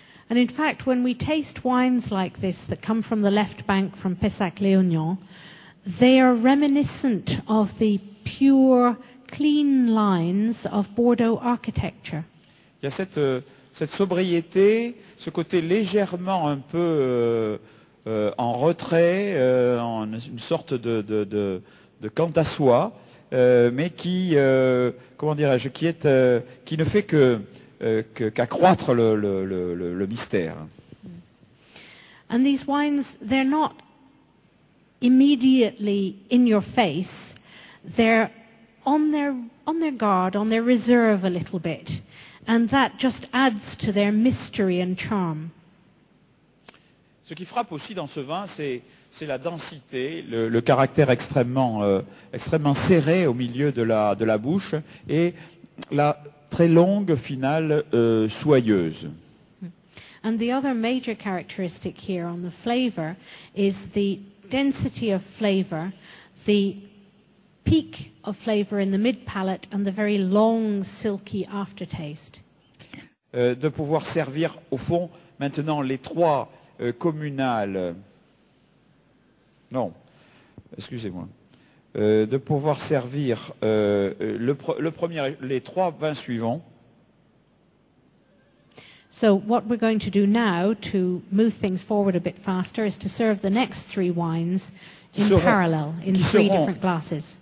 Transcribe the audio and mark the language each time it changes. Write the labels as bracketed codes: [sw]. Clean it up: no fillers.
[en] And in fact, when we taste wines like this that come from the left bank from Pessac-Léognan, they are reminiscent of the pure, clean lines of Bordeaux architecture. [fr] Il y a cette sobriété, ce côté légèrement un peu en retrait, en une sorte de quant à soi, mais qui, comment dirais-je, qui ne fait que qu'accroître le mystère. [en] And these wines, they're not immediately in your face. They're on their guard, on their reserve a little bit. And that just adds to their mystery and charm. [fr] Ce qui frappe aussi dans ce vin, c'est la densité, le caractère extrêmement serré au milieu de la bouche et la très longue finale soyeuse. [en] And the other major characteristic here on the flavor is the density of flavor, the peak of flavor in the mid palate and the very long silky aftertaste. [fr] De pouvoir servir au fond maintenant les trois communales. Non, excusez-moi. De pouvoir servir le premier, les trois vins suivants. [en] So what we're going to do now to move things forward a bit faster is to serve the next three wines in parallel in three different glasses.